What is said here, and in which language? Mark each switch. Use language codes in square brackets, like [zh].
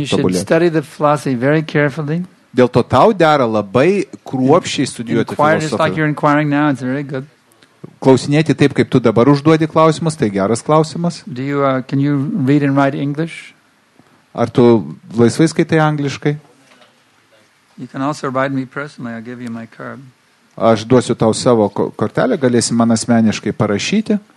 [lt] tobulėti. Dėl to tau dera labai kruopščiai studijuoti filosofiją. Klausinėti taip, kaip tu dabar užduodi klausimus, tai geras klausimas. Ar tu laisvai skaitai angliškai? [en] You can also write me personally, I'll give you my card. [lt] Aš duosiu tau savo kortelę, galėsi man asmeniškai parašyti.